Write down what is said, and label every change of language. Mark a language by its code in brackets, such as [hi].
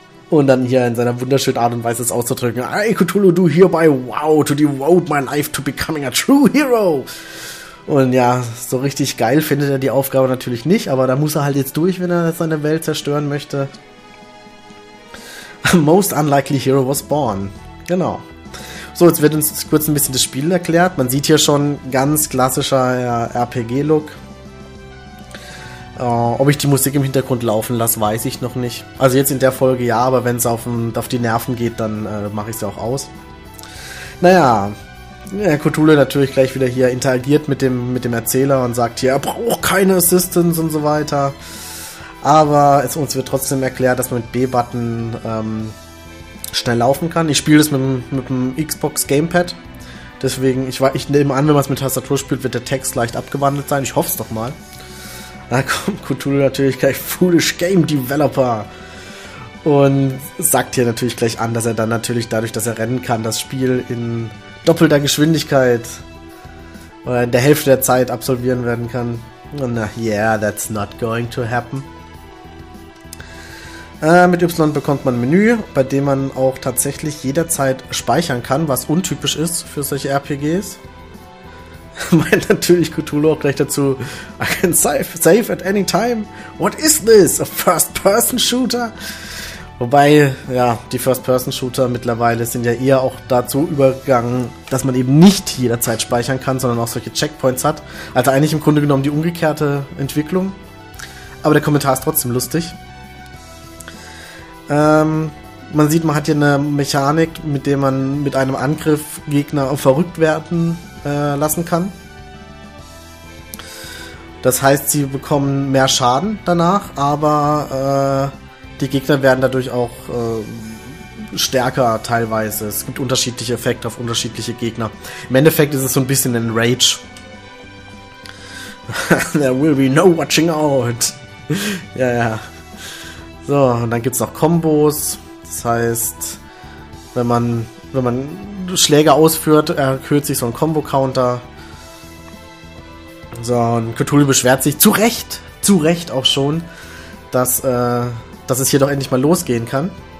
[de] Und dann hier in seiner wunderschönen Art und Weise es auszudrücken. [en] Ay, Cthulhu, do hereby wow to devote my life to becoming a true hero. [de] Und ja, so richtig geil findet er die Aufgabe natürlich nicht, aber da muss er halt jetzt durch, wenn er seine Welt zerstören möchte. [en] Most unlikely hero was born. [de] Genau. So, jetzt wird uns kurz ein bisschen das Spiel erklärt. Man sieht hier schon ganz klassischer RPG-Look. Ob ich die Musik im Hintergrund laufen lasse, weiß ich noch nicht. Also jetzt in der Folge ja, aber wenn es auf die Nerven geht, dann mache ich sie auch aus. Naja, Cthulhu natürlich gleich wieder hier interagiert mit dem Erzähler und sagt hier, er braucht keine Assistance und so weiter. Aber uns wird trotzdem erklärt, dass man mit B-Button schnell laufen kann. Ich spiele das mit dem Xbox Gamepad. Deswegen, ich nehme an, wenn man es mit Tastatur spielt, wird der Text leicht abgewandelt sein. Ich hoffe es doch mal. Da kommt Cthulhu natürlich gleich, [en] Foolish Game Developer. [de] Und sagt hier natürlich gleich an, dass er dann natürlich, dadurch, dass er rennen kann, das Spiel in doppelter Geschwindigkeit oder in der Hälfte der Zeit absolvieren werden kann. [en] Und na, yeah, that's not going to happen. [de] Mit Y bekommt man ein Menü, bei dem man auch tatsächlich jederzeit speichern kann, was untypisch ist für solche RPGs. Meint natürlich Cthulhu auch gleich dazu, [en] I can save at any time. What is this? [de] A First-Person-Shooter? Wobei, ja, die First-Person-Shooter mittlerweile sind ja eher auch dazu übergegangen, dass man eben nicht jederzeit speichern kann, sondern auch solche Checkpoints hat. Also eigentlich im Grunde genommen die umgekehrte Entwicklung. Aber der Kommentar ist trotzdem lustig. Man sieht, man hat hier eine Mechanik, mit der man mit einem Angriff Gegner verrückt werden lassen kann. Das heißt, sie bekommen mehr Schaden danach, aber die Gegner werden dadurch auch stärker teilweise. Es gibt unterschiedliche Effekte auf unterschiedliche Gegner. Im Endeffekt ist es so ein bisschen ein Rage. [en] There will be no watching out. [de] Ja, ja. So, und dann gibt's noch Kombos. Das heißt, wenn man Schläge ausführt, erhöht sich so ein Combo-Counter. So, und Cthulhu beschwert sich zu Recht auch schon, dass es hier doch endlich mal losgehen kann.